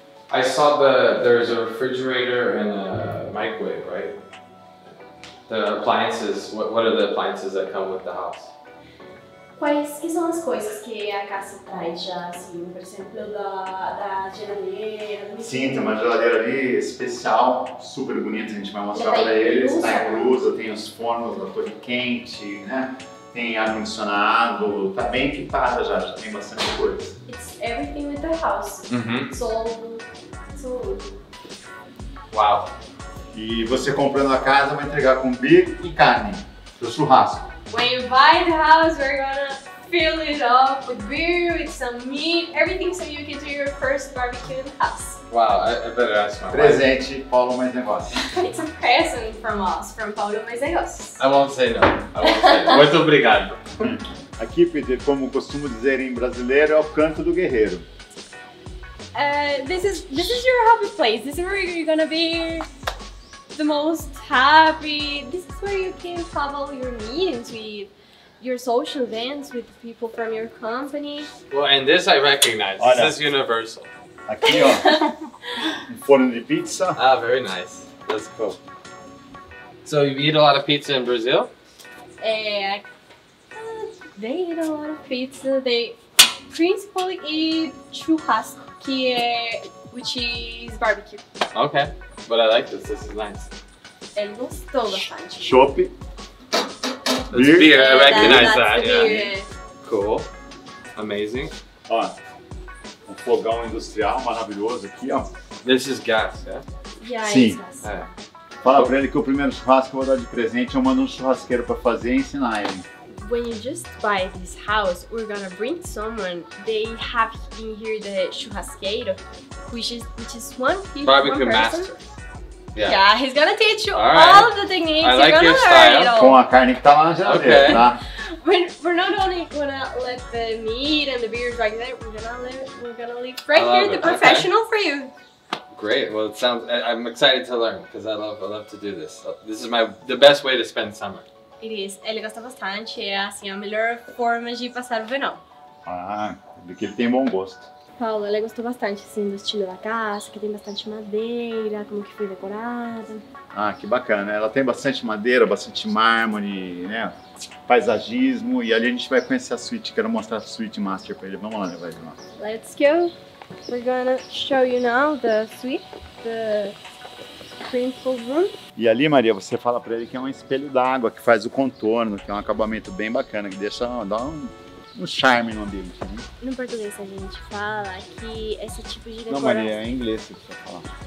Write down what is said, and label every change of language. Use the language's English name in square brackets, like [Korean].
[English] I saw there's a refrigerator and a microwave, right? The appliances, what are the appliances that come with the house? [Portuguese] Quais que são as coisas que a casa traz já, assim, por exemplo, da geladeira? Sim, tem uma geladeira ali especial, super bonita, a gente vai mostrar para eles. Está incluso, tem os fornos da torre quente, né? Tem ar-condicionado, tá bem equipada já, já tem bastante coisa. [English] It's everything with the house. Uhum. [Portuguese] Tudo. Uau! E você comprando a casa, vai entregar com bico e carne, pro churrasco. [English] When you buy the house, we're gonna fill it up with beer, with some meat, everything so you can do your first barbecue in the house. Wow, I better ask my [Portuguese] presente, [English] wife. [Portuguese] Paulo Mais Negócios. [English] It's a present from us, from Paulo Mais Negócios. I won't say no. [Portuguese] Muito obrigado. Aqui, Peter, como costumo dizer em brasileiro, é o canto do guerreiro. [English] This is your happy place. This is where you're gonna be the most happy. This is where you can have all your meetings with your social events with people from your company. Well, and this I recognize. Olha. This is universal. [Portuguese] Aqui, ó. Forno de pizza. [English] Ah, very nice. That's cool. So you eat a lot of pizza in Brazil? They eat a lot of pizza. They principally eat churrasco, which is barbecue. Okay. But I like this. This is nice. [Portuguese] É gostoso bastante. Chope. [English] Beer. I recognize that. that. Beer. Yeah. Cool. Amazing. [Portuguese] Ó, um fogão industrial maravilhoso aqui, ó. [English] This is gas, yeah? Yeah, [Portuguese] sim. É. Fala pra ele que o primeiro churrasco que eu vou dar de presente, eu mando um churrasqueiro pra fazer e ensinar ele. [English] When you just buy this house, we're gonna bring someone. They have in here the churrasqueiro, which is one people. Barbecue master. Yeah. Yeah, he's gonna teach you all of the techniques. I like you're your style. [Portuguese] Com a carne que tá lá na geladeira, [English] okay. [Portuguese] Tá? [English] We're not only gonna let the meat and the beer drag there. We're gonna leave right here the professional okay. For you. Great. Well, it sounds. I'm excited to learn because I love to do this. This is the best way to spend summer. [Portuguese] Ele gosta bastante, é assim, a melhor forma de passar o verão. Ah, porque ele tem bom gosto. Paulo, ele gostou bastante assim, do estilo da casa, que tem bastante madeira, como que foi decorada. Ah, que bacana, ela tem bastante madeira, bastante mármore, né? Paisagismo, e ali a gente vai conhecer a suíte, quero mostrar a suíte master pra ele. Vamos lá, levar ele lá. [English] Let's go. We're gonna show you now the suite, the principal room. [Portuguese] E ali, Maria, você fala pra ele que é um espelho d'água que faz o contorno, que é um acabamento bem bacana, que deixa dar um charme no ambiente. Né? No português a gente fala que esse tipo de decoração... Não, Maria, é em inglês que você vai falar.